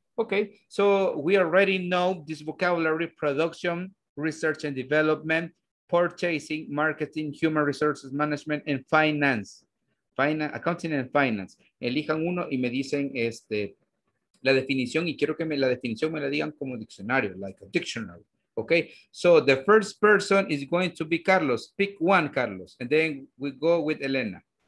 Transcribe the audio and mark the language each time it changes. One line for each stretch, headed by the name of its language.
English: Okay, so we already know this vocabulary: production, research and development, purchasing, marketing, human resources management, and finance. Accounting and finance.
Spanish: Elijan uno y me dicen la definición, y quiero que la definición me la digan como diccionario, like a dictionary.
English: Okay, so the first person is going to be Carlos. Pick one, Carlos, and then we go with Elena.